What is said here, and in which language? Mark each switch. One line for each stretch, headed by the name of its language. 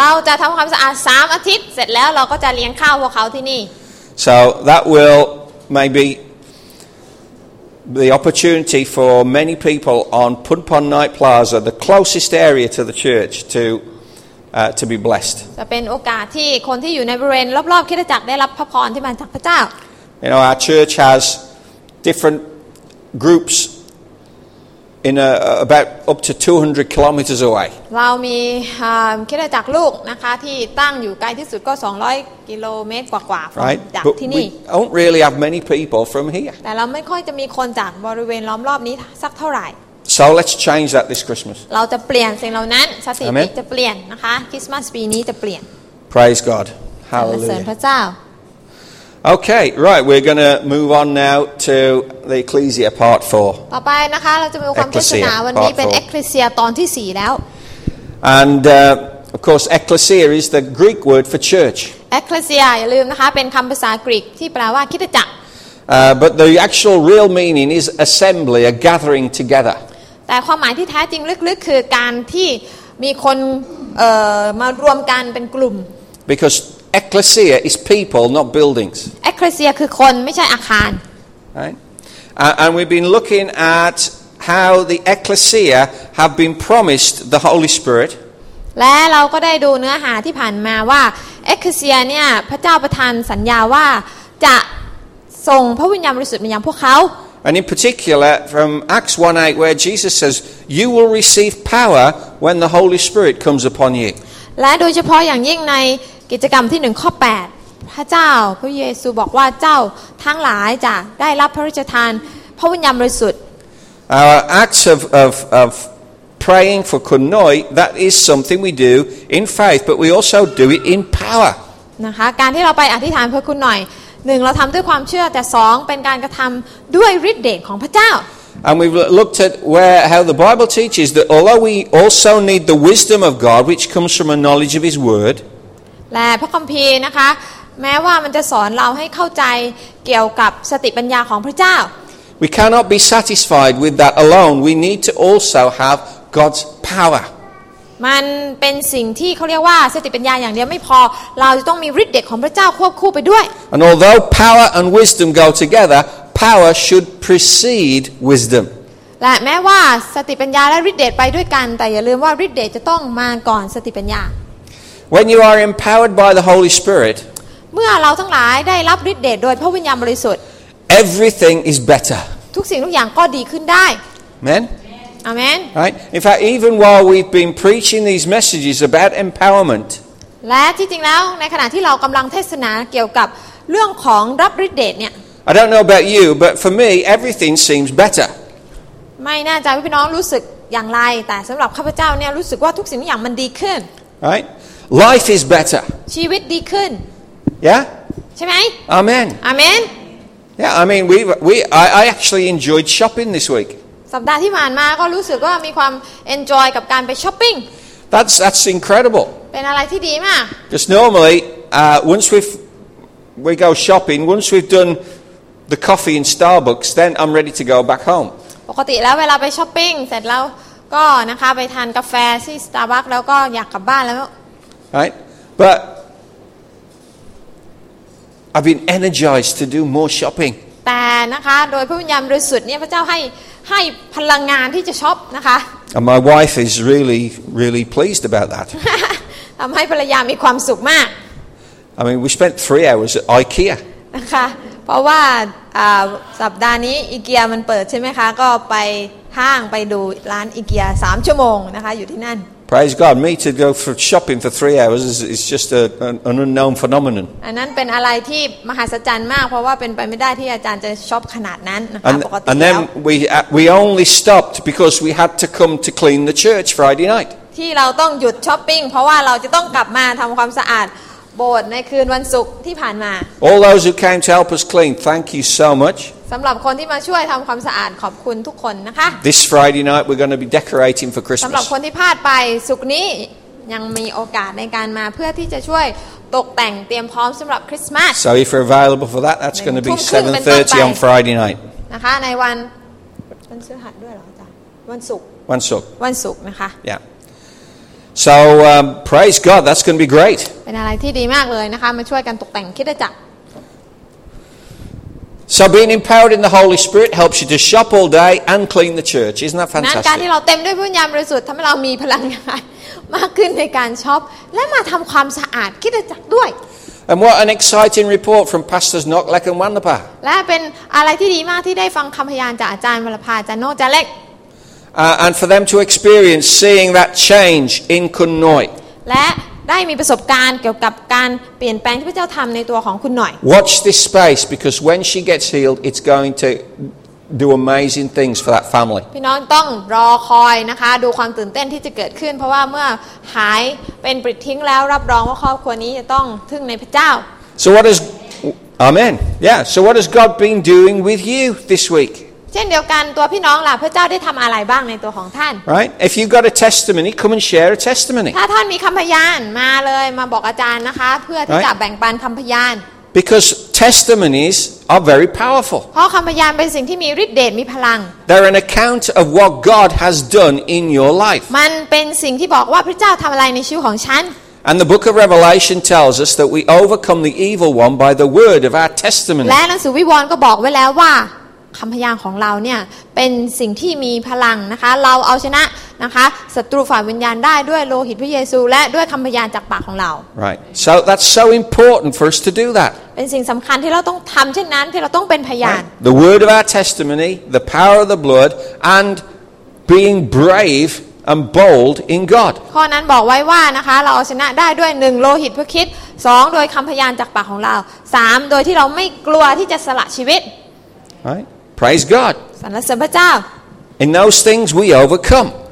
Thai: เราจะทำความสะอาด3อาทิตย์เสร็จแล้วเราก็จะเลี้ยงข้าวพวกเขาที่นี่
English: So that willMaybe the opportunity for many people on Phunpon Night Plaza, the closest area to the church, to be blessed.
Thai: จะเป็นโอกาสที่คนที่อยู่ในบริเวณรอบๆคริสตจักรได้รับพระพรที่มาจากพระเจ้า
English: You know, our church has different groups in about up to 200 kilometers away.
Thai: เรามีคริสตจักรลูกนะคะที่ตั้งอยู่ไกลที่สุดก็200กิโลเมตรกว่าๆจากที่นี่
English: Don't really have many people from here.
Thai: แต่เราไม่ค่อยจะมีคนจากบริเวณล้อมรอบนี้สักเท่าไหร่
English: So let's change that this Christmas.
Thai: เราจะเปลี่ยนสิ่งเหล่านั้นชาติที่จะเปลี่ยนนะคะคริสต์มาสปีนี้จะเปลี่ยน
English: Praise God. Hallelujah.
Thai: พระเจ้า
English: Okay, right. We're going to move on now to the Ecclesia part 4.
Thai: ต่อไปนะคะเราจะมีความเทศนาวันนี้เป็น Ecclesia ตอนที่4แล้ว
English: And of course Ecclesia is the Greek word for church.
Thai: Ecclesia อย่าลืมนะคะเป็นคำภาษากรีกที่แปลว่าคริสตจักร
English: But the actual real meaning is assembly, a gathering together.
Thai: แต่ความหมายที่แท้จริงลึกๆคือการที่มีคนมารวมกันเป็นกลุ่ม
English: Because Ecclesia is people, not buildings.
Thai: Ecclesia คือคนไม่ใช่อาคาร
English: Right? And we've been looking at how the Ecclesia have been promised the Holy Spirit.
Thai: และเราก็ได้ดูเนื้อหาที่ผ่านมาว่าเอ็กเซียเนี่ยพระเจ้าประทานสัญญาว่าจะส่งพระวิญญาณบริสุทธิ์มายังพวกเขา
English: And in particular from Acts 1:8 where Jesus says you will receive power when the Holy Spirit comes upon you
Thai: และโดยเฉพาะอย่างยิ่งในกิจกรรมที่1ข้อ8พระเจ้าพระเยซูบอกว่าเจ้าทั้งหลายจะได้รับพระราชทานพระวิญญาณบริสุทธิ์
English: Our acts ofPraying for kunoi, that is something we do in faith, but we also do it in power.
Thai: นะคะการที่เราไปอธิษฐานเพื่อคุณหน่อยหนึ่งเราทำด้วยความเชื่อแต่สองเป็นการกระทำด้วยฤทธิ์เดชของพระเจ้า
English: And we've looked at where how the Bible teaches that although we also need the wisdom of God, which comes from a knowledge of His Word.
Thai: และพระคัมภีร์นะคะแม้ว่ามันจะสอนเราให้เข้าใจเกี่ยวกับสติปัญญาของพระเจ้า
English: We cannot be satisfied with that alone. We need to also haveGod's power.
Thai: มันเป็นสิ่งที่เขาเรียกว่าสติปัญญาอย่างเดียวไม่พอเราจะต้องมีฤทธิ์เดชของพระเจ้าควบคู่ไปด้วย
English: And although power and wisdom go together, power should precede wisdom.
Thai: และแม้ว่าสติปัญญาและฤทธิ์เดชไปด้วยกันแต่อย่าลืมว่าฤทธิ์เดชจะต้องมาก่อนสติปัญญา
English: When you are empowered by the Holy Spirit,
Thai: เมื่อเราทั้งหลายได้รับฤทธิ์เดชโดยพระวิญญาณบริสุทธิ์
English: Everything is better.
Thai: ทุกสิ่งทุกอย่างก็ดีขึ้นได้
English: Amen. Amen. Right. In fact, even while we've been preaching these messages about empowerment,
Thai: และที่จริงแล้วในขณะที่เรากำลังเทศนาเกี่ยวกับเรื่องของรับฤทธิ์เดชเนี่ย
English: I don't know about you, but for me, everything seems better.
Thai: ไม่น่าจะพี่น้องรู้สึกอย่างไรแต่สำหรับข้าพเจ้าเนี่ยรู้สึกว่าทุกสิ่งทุกอย่างมันดีขึ้น
English: Right. Life is better.
Thai: ชีวิตดีขึ้น
English: Yeah.
Thai: ใช่ไหม
English: Amen. Amen. Yeah. I mean, I actually enjoyed shopping this week.
Thai: สัปดาห์ที่ผ่านมาก็รู้สึกว่ามีความ enjoy กับการไปช้อปปิ้ง
English: That's incredible
Thai: เป็นอะไรที่ดีมาก
English: Just normally once we go shopping once we've done the coffee in Starbucks then I'm ready to go back home
Thai: ปกติแล้วเวลาไปช้อปปิ้งเสร็จแล้วก็นะคะไปทานกาแฟที่ Starbucks แล้วก็อยากกลับบ้านแล้ว
English: Right but I've been energized to do more shopping
Thai: แต่นะคะโดยพระวิญญาณบริสุทธิ์เนี่ยพระเจ้าให้พลังงานที่จะช็อปนะคะ
English: And my wife is really really pleased about that
Thai: ทำให้ภรรยามีความสุขมาก
English: I mean we spent 3 hours at IKEA
Thai: นะคะเพราะว่าสัปดาห์นี้ IKEA มันเปิดใช่ไหมคะก็ไปห้างไปดูร้าน IKEA 3ชั่วโมงนะคะอยู่ที่นั่น
English: Praise God me to go for shopping for 3 hours is just an unknown phenomenon
Thai: อันนั้นเป็นอะไรที่มหัศจรรย์มากเพราะว่าเป็นไปไม่ได้ที่อาจารย์จะช็อปขนาดนั้นนะคะปกติแล้ว
English: And then we only stopped because we had to come to clean the church Friday night
Thai: ที่เราต้องหยุดช้อปปิ้งเพราะว่าเราจะต้องกลับมาทำความสะอาดโบสถ์ในคืนวันศุกร์ที่ผ่านมา
English: All those who came to help us clean thank you so much
Thai: สำหรับคนที่มาช่วยทำความสะอาดขอบคุณทุกคนนะคะ
English: This Friday night we're going to be decorating for Christmas
Thai: สำหรับคนที่พลาดไปศุกร์นี้ยังมีโอกาสในการมาเพื่อที่จะช่วยตกแต่งเตรียมพร้อมสำหรับคริสต์มาส
English: So if you're available for that that's going to be 7:30 on Friday night
Thai: นะคะในวันพฤหัสด้วยเหรออาจารย์วันศุกร์ วันศุกร์นะคะ
English: YeahSo praise God, that's going to be great.
Thai: เป็นอะไรที่ดีมากเลยนะคะมาช่วยกันตกแต่งคิดจัก
English: So being empowered in the Holy Spirit helps you to shop all day and clean the church. Isn't that fantastic?
Thai: นั่นการที่เราเต็มด้วยพระวิญญาณบริสุทธิ์ทำให้เรามีพลังงานมากขึ้นในการช็อปและมาทำความสะอาดคิดจักด้วย
English: And what an exciting report from Pastors Nok Lek and Wanlapa.
Thai: และเป็นอะไรที่ดีมากที่ได้ฟังคำพยานจากอาจารย์วัลภาอาจารย์โนจาเล็ก
English: And for them to experience seeing that change in Kunoi.
Thai: And ได้มีประสบการณ์เกี่ยวกับการเปลี่ยนแปลงที่พระเจ้าทำในตัวของคุณหน่อย
English: Watch this space because when she gets healed, it's going to do amazing things for that family.
Thai: พี่น้องต้องรอคอยนะคะดูความตื่นเต้นที่จะเกิดขึ้นเพราะว่าเมื่อหายเป็นปริทิ้งแล้วรับรองว่าครอบครัวนี้จะต้องทึ่งในพระเจ้า
English: So what has Amen? Yeah. So what has God been doing with you this week?
Thai: ช่นเดียวกันตัวพี่น้องล่ะพระเจ้าได้ทำอะไรบ้างในตัวของท่าน
English: Right if you got a testimony come and share a testimony
Thai: ถ้าท่านมีคำพยานมาเลยมาบอกอาจารย์นะคะเพื่อที่จะแบ่งปันคำพยาน
English: Because testimonies are very powerful.
Thai: เพราะคำพยานเป็นสิ่งที่มีฤทธิ์เดชมีพลัง
English: They're an account of what God has done in your life.
Thai: มันเป็นสิ่งที่บอกว่าพระเจ้าทำอะไรในชีวิตของฉัน
English: And the book of Revelation tells us that we overcome the evil one by the word of our testimony.
Thai: และหนังสือวิวรณ์ก็บอกไว้แล้วว่าคำพยานของเราเนี่ยเป็นสิ่งที่มีพลังนะคะเราเอาชนะนะคะศัตรูฝ่ายวิญญาณได้ด้วยโลหิตพระเยซูและด้วยคำพยานจากปากของเรา
English: Right so that's so important for us to do that
Thai: เป็นสิ่งสำคัญที่เราต้องทำเช่นนั้นที่เราต้องเป็นพยาน
English: The word of our testimony the power of the blood and being brave and bold in God
Thai: ข้อนั้นบอกไว้ว่านะคะเราเอาชนะได้ด้วย1โลหิตพระคริสต์2โดยคำพยานจากปากของเรา3โดยที่เราไม่กลัวที่จะสละชีวิต
English: Right praise God
Thai: สรรเสริญพระเจ้า
English: In those things we overcome